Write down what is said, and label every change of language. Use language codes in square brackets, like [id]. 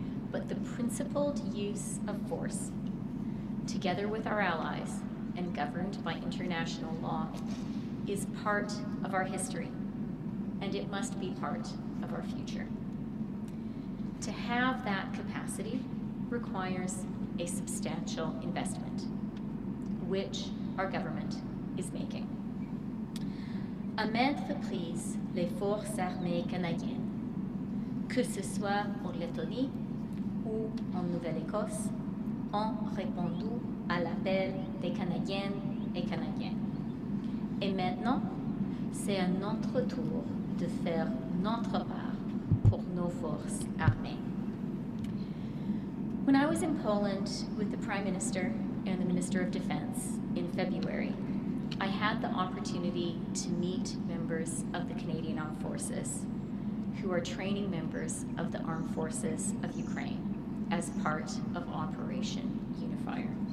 [en] But the principled use of force, together with our allies and governed by international law, is part of our history, and it must be part of our future. To have that capacity requires a substantial investment, which our government is making. [fr] Amène reprise les forces armées canadiennes, que ce soit en Lettonie ou en Nouvelle-Écosse, en répondant à l'appel des Canadiennes et Canadiens. Et maintenant, c'est à notre tour de faire notre part pour nos forces armées. [en] When I was in Poland with the Prime Minister and the Minister of Defense in February, I had the opportunity to meet members of the Canadian Armed Forces who are training members of the Armed Forces of Ukraine as part of Operation Unifier.